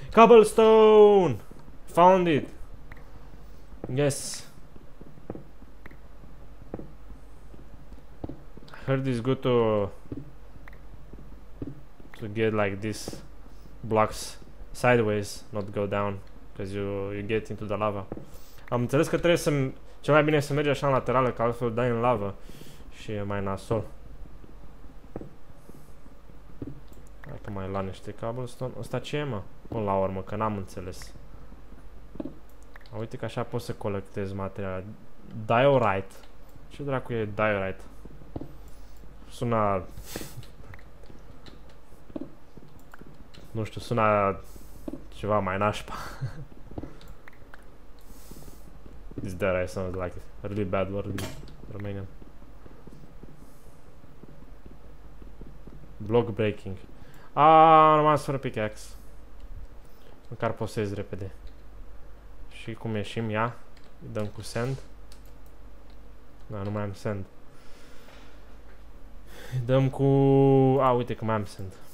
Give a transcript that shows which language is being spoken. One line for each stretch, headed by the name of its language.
English: Cobblestone! Found it! Yes. I heard it's good to get like these blocks sideways, not go down, because you get into the lava.
Romanian: Am inteles că trebuie să... cel mai bine e să mergi așa în laterală, ca altfel dai în lava și e mai nasol. Hai că mai la niște cobblestone. Asta ce e, mă? Până la urmă, că n-am înțeles. Uite că așa pot să colectez materiale. Diorite. Ce dracu e diorite? Sună... nu știu, sună ceva mai nașpa.
English: This diorite sounds like a really bad word in Romanian. Block breaking.
Romanian: Aaaa, rămas fără pickaxe. Măcar posez repede. Și cum ieșim, ia. Îi dăm cu sand. Da, nu mai am sand. Îi dăm cu... a, uite că mai am sand.